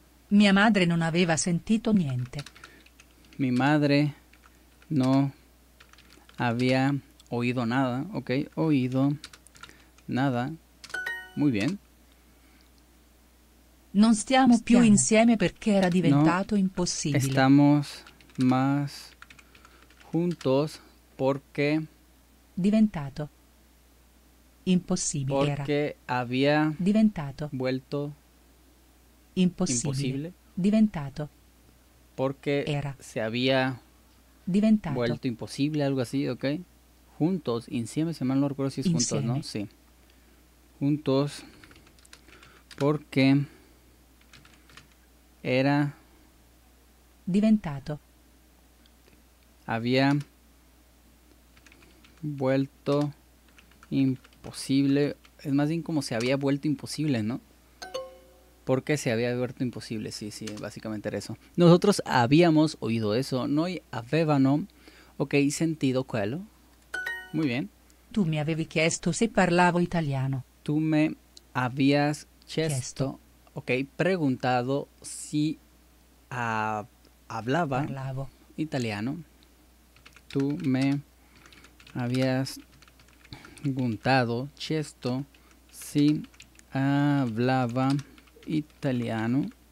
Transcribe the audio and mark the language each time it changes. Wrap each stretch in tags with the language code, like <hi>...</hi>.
<it>Mia madre non aveva sentito niente.</it> <es>Mi madre no había oído nada. Ok. Oído nada. Muy bien.</es> <it>Non stiamo più insieme perché era diventato impossibile.</it> <es>Estamos más juntos porque</es> <it>diventato impossibile</it> <es>era. Porque había</es> <it>diventato</it> <es>vuelto</es> <it>impossibile diventato</it> <es>porque era se había</es> <it>diventato</it> <es>vuelto imposible, algo así, ok. Juntos, insieme, si mal no recuerdo si es</es> <it>insieme.</it> <es>Juntos, ¿no? Sí. Juntos porque era</es> <it>diventato</it> <es>había vuelto imposible, es más bien como se había vuelto imposible, ¿no? Porque se había vuelto imposible, sí, básicamente era eso. Nosotros habíamos oído eso,</es> <it>noi avevano,</it> <es>ok, sentido quello, muy bien. Tú me</es> <it>avevi chiesto se parlavo italiano.</it> <es>Tú me habías chiesto, ok, preguntado si hablaba</es> <it>parlavo</it> <es>italiano. Tú me habías preguntado, chiesto, si hablaba italiano.</es>